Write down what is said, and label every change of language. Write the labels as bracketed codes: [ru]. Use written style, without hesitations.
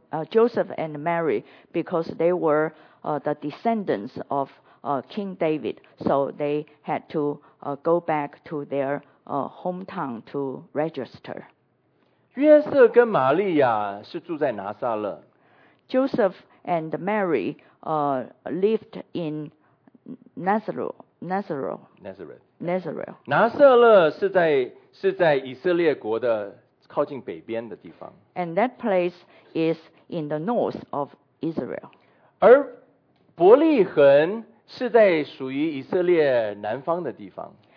[en] Joseph and Mary, because they were the descendants of King David, so they had to go back to their hometown to register. [zh] 约瑟跟玛利亚是住在拿撒勒。 [en] Joseph and Mary. Lived in Nazareth. [zh] 拿撒勒是在以色列国的靠近北边的地方。 [en] And that place is in the north of Israel. [zh] 而伯利恒是在属于以色列南方的地方。